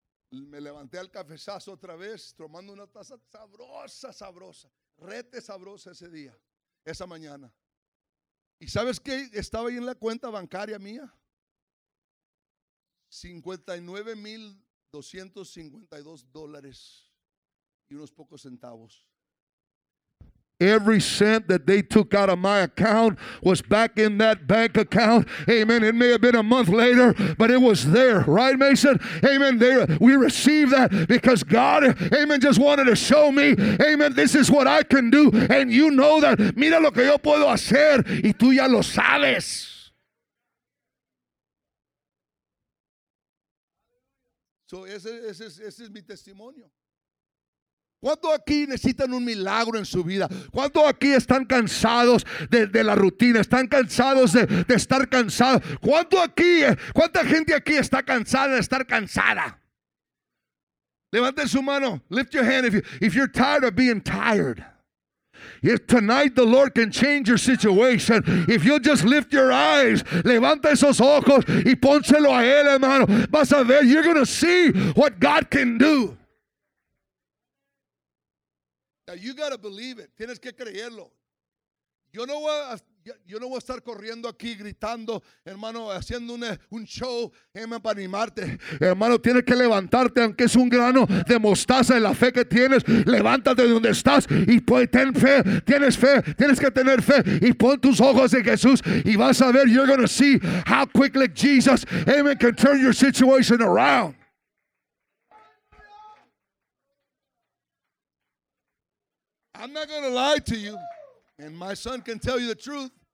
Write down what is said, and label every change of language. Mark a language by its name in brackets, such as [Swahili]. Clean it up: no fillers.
[Spanish] Me levanté al cafezazo otra vez, tomando una taza sabrosa, sabrosa, rete sabrosa ese día, esa mañana. ¿Y sabes qué? Estaba ahí en la cuenta bancaria mía, $59,252 y unos pocos centavos. [English] Every cent that they took out of my account was back in that bank account. Amen. It may have been a month later, but it was there. Right, Mason? Amen. We received that because God, amen, just wanted to show me, amen, this is what I can do. And you know that. [Spanish] Mira lo que yo puedo hacer. Y tú ya lo sabes. So ese es mi testimonio. ¿Cuánto aquí necesitan un milagro en su vida? ¿Cuánto aquí están cansados de la rutina? ¿Están cansados de estar cansados? ¿Cuánto aquí, cuánta gente aquí está cansada de estar cansada? Levanten su mano. [English] Lift your hand if you're tired of being tired. If tonight the Lord can change your situation, if you just lift your eyes, [Spanish] levanta esos ojos y pónselo a él, hermano. Vas a ver, [English] you're going to see what God can do. You got to believe it. [Spanish] Tienes que creerlo. Yo no voy a estar corriendo aquí gritando, hermano, haciendo un show, amen, para animarte. Hermano, tienes que levantarte, aunque es un grano de mostaza en la fe que tienes. Levántate de donde estás y pues, ten fe. Tienes fe. Tienes que tener fe y pon tus ojos en Jesús y vas a ver. [English] You're going to see how quickly Jesus, amen, can turn your situation around. I'm not going to lie to you, and my son can tell you the truth.